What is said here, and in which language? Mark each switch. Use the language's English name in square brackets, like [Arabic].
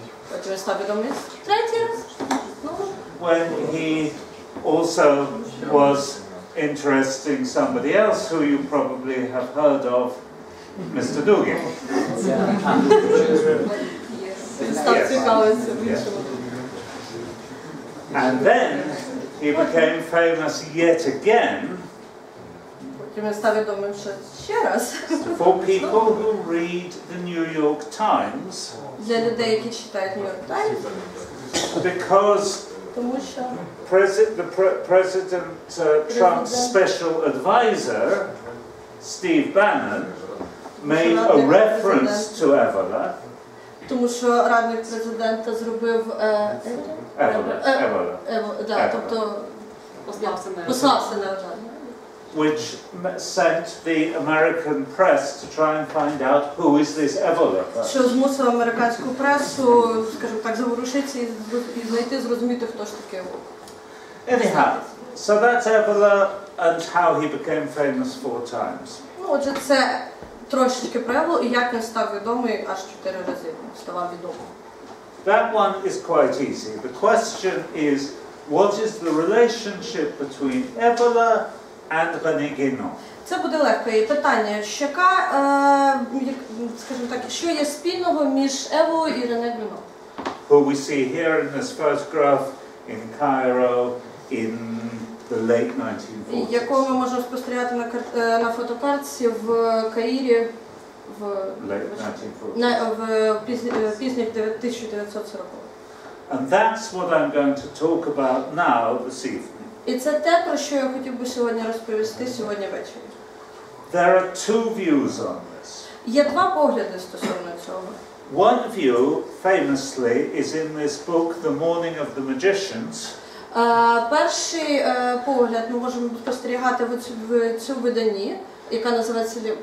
[Ukrainian] Потім він став відомий третій раз. [English] When he also was interesting somebody else who you probably have heard of, Mr. Dugin. Yes. [Ukrainian] Став цікавим. [English] And then he became famous yet again. [Ukrainian] Потім він став відомим ще раз. [English] For people who read the New York Times. [Ukrainian] Для людей, які читають New York Times. [English] Because [Ukrainian] тому що [English] President Trump's special advisor Steve Bannon made a reference to Evola. [Ukrainian] Тому що радник президента зробив Евола. Тобто послався на Евола. [English] Which sent the American press to try and find out who is this Evola. [Ukrainian] Що змусило американську пресу, скажімо так, заворушитися і знайти, зрозуміти, хто ж таке Евола. [English] Anyhow, so that's Evola and how he became famous four times. [Ukrainian] Ну, отже, це трошечки про Евола і як він став відомий аж чотири рази, ставав відомим. [English] That one is quite easy. The question is, what is the relationship between Evola and Рене Генон? [Ukrainian] Це буде легке питання. Що, скажімо так, що є спільного між Еволою і Рене Геноном? [English] Who we see here in this photograph in Cairo in the late 1940s. [Ukrainian] Якого ми можемо спостерігати на фотокартці в Каїрі в пізніх 1940-х. [English] And that's what I'm going to talk about now this evening. [Ukrainian] І це те, про що я хотів би сьогодні розповісти сьогодні ввечері. [English] There are two views on this. [Ukrainian] Є два погляди стосовно цього. [English] One view, famously, is in this book, The Morning of the Magicians. [Ukrainian] Перший погляд ми можемо спостерігати в цьому виданні, яке називається